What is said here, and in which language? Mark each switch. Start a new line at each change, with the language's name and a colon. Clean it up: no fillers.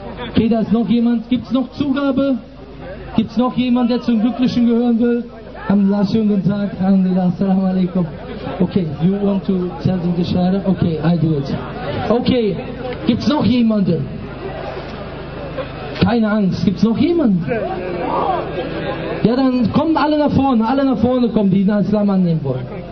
German: Okay, da ist noch jemand. Gibt es noch Zugabe? Gibt es noch jemand, der zum Glücklichen gehören will? Alhamdulillah, schönen guten Tag. Alhamdulillah, assalamu alaikum.
English: Okay, you want to tell them the shahada? Okay, I do it.
German: Okay, gibt es noch jemanden? Keine Angst, gibt es noch jemanden? Ja, dann kommen alle nach vorne kommen, die den Islam annehmen wollen.